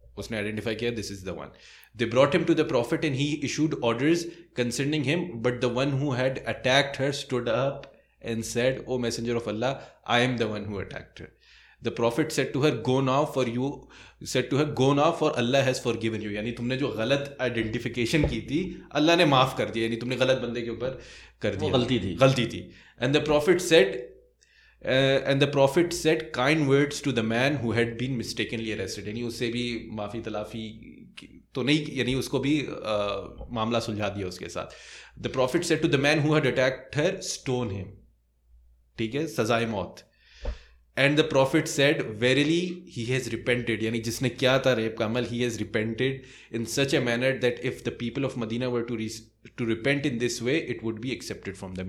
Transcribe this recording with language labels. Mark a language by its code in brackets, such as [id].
[ur] Usne identify kiya, [en] this is the one. They brought him to the Prophet and he issued orders concerning him, but the one who had attacked her stood up and said, O Messenger of Allah, I am the one who attacked her. The Prophet said to her, go now for Allah has forgiven you. [ur] یعنی تم نے جو غلط identification کی تھی اللہ نے معاف کر دیا, یعنی تم نے غلط بندے کے اوپر کر دیا, غلطی تھی. [en] And the Prophet said kind words to the man who had been mistakenly arrested. [ur] یعنی اس سے بھی معافی تلافی تو نہیں, یعنی اس کو بھی معاملہ سلجھا دیا اس کے ساتھ. [en] The Prophet said to the man who had attacked her, stone him. [ur] ٹھیک ہے, سزائے موت. [en] And the Prophet said, verily, he has repented. [ur] Yani jisne kya tha rape ka amal, [en] he has repented in such a manner that if the people of Medina were to repent in this way, it would be accepted from them.